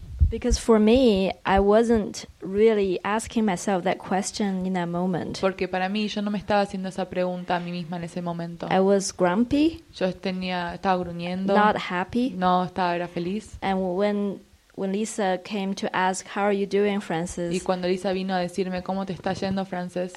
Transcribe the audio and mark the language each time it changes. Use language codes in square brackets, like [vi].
[en] Because for me, I wasn't really asking myself that question in that moment. [es] Porque para mí yo no me estaba haciendo esa pregunta a mí misma en ese momento. [en] I was grumpy. [es] Yo estaba gruñendo. [en] Not happy. [es] No estaba era feliz. [en] And when Lisa came to ask, "How are you doing, Frances?" [es] Y cuando Lisa vino a decirme cómo te está yendo, Frances,